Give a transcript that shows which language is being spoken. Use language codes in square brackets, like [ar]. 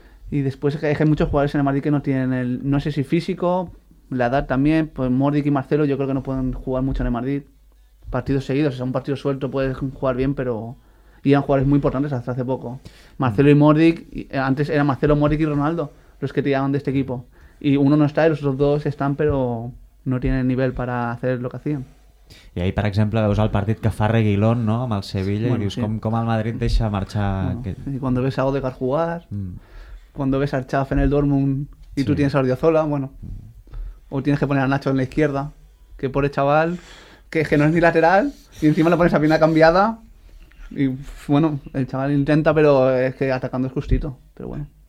[es] Y después es que hay muchos jugadores en el Madrid que no tienen el... No sé si físico, la edad también, pues Modric y Marcelo yo creo que no pueden jugar mucho en el Madrid. Partidos seguidos, o sea, un partido suelto puedes jugar bien, pero... Y eran jugadores muy importantes hasta hace poco. Marcelo y Modric, antes eran Marcelo, Modric y Ronaldo los que tiraban de este equipo. Y uno no está y los otros dos están, pero no tienen nivel para hacer lo que hacían. [ca] I ahir, per exemple, veus el partit que fa Reguilón, no?, amb el Sevilla, bueno, i dius sí. com el Madrid deixa marxar... [es] Bueno, cuando ves a Odegaard jugar, cuando ves a Xhaf en el Dortmund y sí. tú tienes a Odriozola, bueno, o tienes que poner a Nacho en la izquierda, que pobre chaval, que no es ni lateral, y encima lo pones a pierna cambiada, y bueno, el chaval intenta, pero es que atacando es justito, pero bueno.